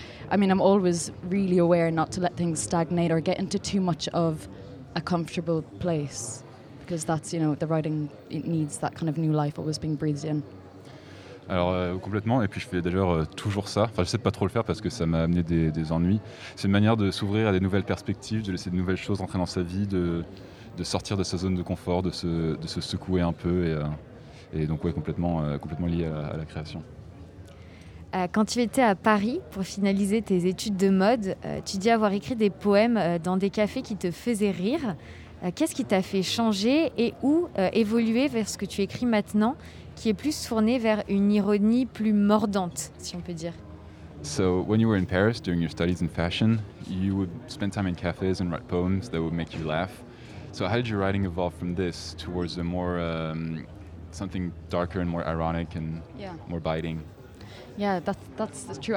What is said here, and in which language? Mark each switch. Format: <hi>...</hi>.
<en>I'm always really aware not to let things stagnate or get into too much of a comfortable place, because that's, you know, the writing, it needs that kind of new life always being breathed in.</en> <fr>Alors complètement, et puis je fais d'ailleurs toujours ça. Enfin, j'essaie de pas trop le faire parce que ça m'a amené des ennuis. C'est une manière de s'ouvrir à des nouvelles perspectives, de laisser de nouvelles choses entrer dans sa vie, de sortir de sa zone de confort, de se secouer un peu, et donc ouais, complètement lié à la création. Quand tu étais à Paris pour finaliser tes études de mode, tu dis avoir écrit des poèmes dans des cafés qui te faisaient rire. Qu'est-ce qui t'a fait changer et où évoluer vers ce que tu écris maintenant, qui est plus tourné vers une ironie plus mordante, si on peut dire.</fr> <en>So when you were in Paris during your studies in fashion, you would spend time in cafes and write poems that would make you laugh. So how did your writing evolve from this towards a more something darker and more ironic and more biting? Yeah, that's true.</en>